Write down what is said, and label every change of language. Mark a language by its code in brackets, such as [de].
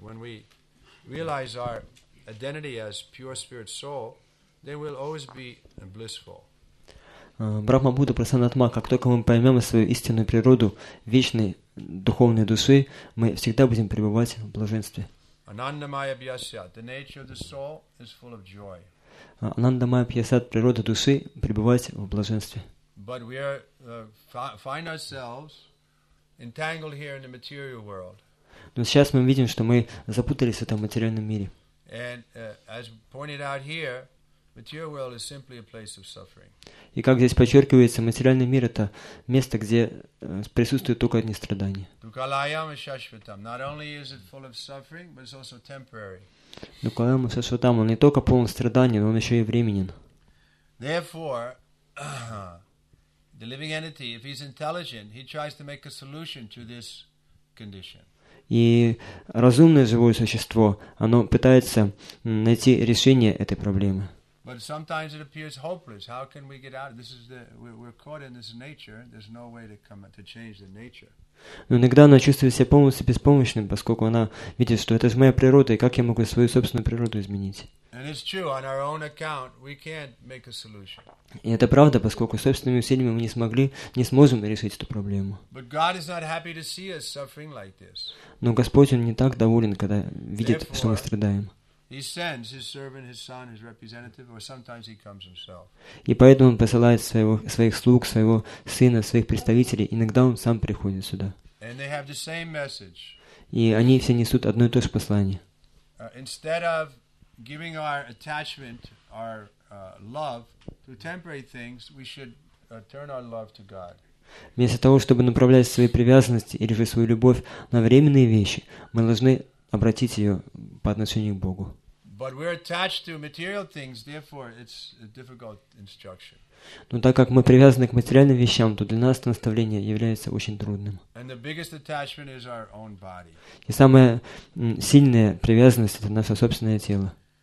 [en] When we realize our identity as pure spirit soul, then we'll always be blissful. [sa] Брахма Будда Прасанатма, [ru] как только мы поймем свою истинную природу вечной духовной души, мы всегда будем пребывать в блаженстве. [sa] Анандамая [ru] бьясят, природа души, пребывать в блаженстве. [en] But we are, find ourselves entangled here in the material world. [ru] Но сейчас мы видим, что мы запутались в этом материальном мире. [en] And, as pointed out here, material world is simply a place of suffering. [ru] И как здесь подчеркивается, материальный мир — это место, где присутствуют только одни страдания. [sa] Dukkhalayama shashvatam. [en] Not only is it full of suffering, but it's also temporary. [sa] Dukkhalayama shashvatam. [ru] Он не только полон страданий, но он еще и временен. [en] Therefore, the living entity, if he's intelligent, he tries to make a solution to this condition. [ru] И разумное живое существо, оно пытается найти решение этой проблемы. [en] But sometimes it appears hopeless. How can we get out? This is the we're caught in this nature. There's no way to come to change the nature. [ru] Но иногда она чувствует себя полностью беспомощным, поскольку она видит, что это же моя природа, и как я могу свою собственную природу изменить? [en] And it's true. On our own account, we can't make a solution. [ru] И это правда, поскольку собственными усилиями мы не сможем решить эту проблему. [en] But God is not happy to see us suffering like this. [ru] Но Господь, он не так доволен, когда видит, что мы страдаем. [en] He sends his servant, his son, his representative, or sometimes he comes himself. [ru] И поэтому он посылает своих слуг, своего сына, своих представителей. Иногда он сам приходит сюда. [en] And they have the same message. [ru] И они все несут одно и то же послание. [en] Instead of giving our attachment, our love to temporary things, we should turn our love to God. [ru] Вместо того, чтобы направлять свои привязанности или же свою любовь на временные вещи, мы должны обратить ее по отношению к Богу. [en] But we're attached to material things, therefore it's a difficult instruction. [ru] Но так как мы привязаны к материальным вещам, то для нас это наставление является очень трудным. [en] And the biggest attachment is our own body. [ru] И самая сильная привязанность — это наше собственное тело.